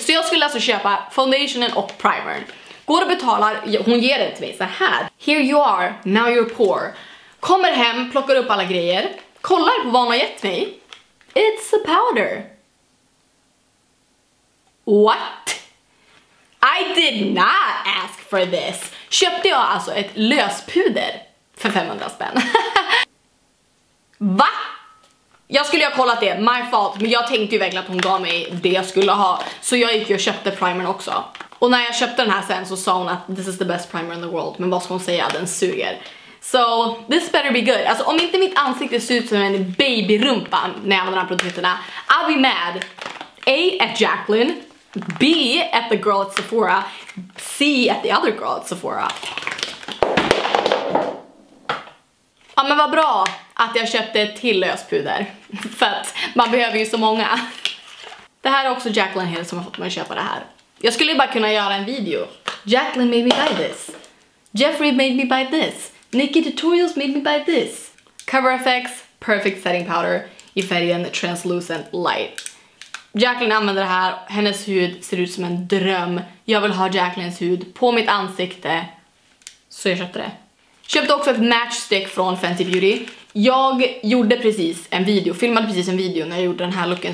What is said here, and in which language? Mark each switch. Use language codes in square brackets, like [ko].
[sv] Så jag skulle alltså köpa foundationen och primern. Går och betalar, hon ger det till mig så här. [en] Here you are, now you're poor. [sv] Kommer hem, plockar upp alla grejer, kollar på vad hon har gett mig. [en] It's a powder. What? I did not ask for this. [sv] Köpte jag alltså ett löspuder för 500 spänn. Va? Jag skulle ju ha kollat det, [en] my fault. [sv] Men jag tänkte ju verkligen att hon gav mig det jag skulle ha. Så jag gick och köpte primern också. Och när jag köpte den här sen så sa hon att [en] this is the best primer in the world. [sv] Men vad ska hon säga, den suger. [en] So, this better be good. [sv] Alltså, om inte mitt ansikte ser ut som en babyrumpa när jag använder de här produkterna, [en] I'll be mad. A, at Jaclyn. B, at the girl at Sephora. C, at the other girl at Sephora. [sv] Ja, men vad bra att jag köpte till löspuder. För att man behöver ju så många. Det här är också Jaclyn Hill som har fått mig att köpa det här. Jag skulle ju bara kunna göra en video. [en] Jaclyn made me buy this. Jeffrey made me buy this. Nikki Tutorials made me buy this. [sv] Cover FX Perfect Setting Powder i färgen Translucent Light. Jaclyn använder det här, hennes hud ser ut som en dröm. Jag vill ha Jaclyns hud på mitt ansikte. Så jag köpte det. Köpte också ett matchstick från Fenty Beauty. Jag gjorde precis en video, filmade precis en video när jag gjorde den här looken.